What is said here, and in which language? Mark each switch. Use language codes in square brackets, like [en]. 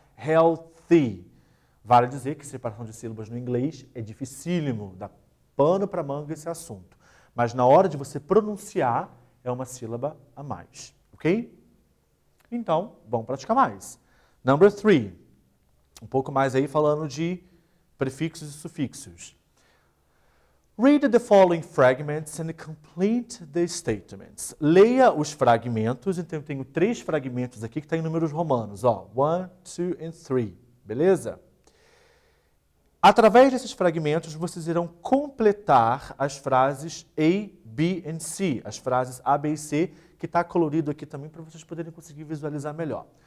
[pt] Healthy. Vale dizer que separação de sílabas no inglês é dificílimo, dá pano para manga esse assunto. Mas na hora de você pronunciar, é uma sílaba a mais, ok? Então, vamos praticar mais. [en] Number three. [pt] Um pouco mais aí falando de prefixos e sufixos. [en] Read the following fragments and complete the statements. [pt] Leia os fragmentos. Então, eu tenho três fragmentos aqui que estão em números romanos. Ó, 1, 2 and 3. Beleza? Através desses fragmentos, vocês irão completar as frases A, B and C. As frases A, B e C, que está colorido aqui também para vocês poderem conseguir visualizar melhor.